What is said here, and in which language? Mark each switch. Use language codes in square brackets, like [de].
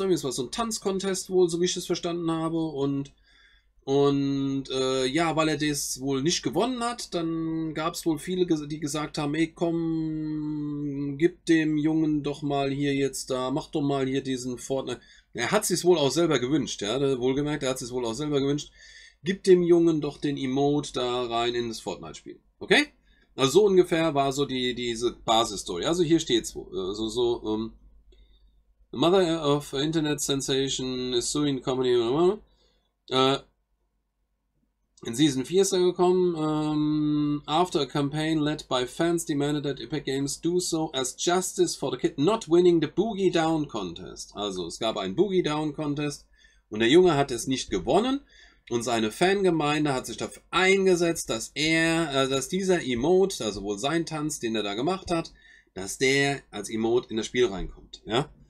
[de] Irgendwie, es war so ein Tanzcontest wohl, so wie ich es verstanden habe. Und ja, weil er das wohl nicht gewonnen hat, dann gab es wohl viele, die gesagt haben, ey, komm, gib dem Jungen doch mal hier jetzt da, mach doch mal hier diesen Fortnite. Er hat sich's wohl auch selber gewünscht, ja, wohlgemerkt, er hat sich's wohl auch selber gewünscht. Gib dem Jungen doch den Emote da rein in das Fortnite-Spiel. Okay? Also so ungefähr war so diese Basis-Story. Also hier steht's wohl. [en] Also, Mother of Internet Sensation is suing company. [de] In Season 4 ist er gekommen. [en] After a campaign led by fans demanded that Epic Games do so as justice for the kid not winning the Boogie Down Contest. [de] Also es gab einen Boogie Down Contest und der Junge hat es nicht gewonnen. Und seine Fangemeinde hat sich dafür eingesetzt, dass dass dieser Emote, also wohl sein Tanz, den er da gemacht hat, dass der als Emote in das Spiel reinkommt. Ja?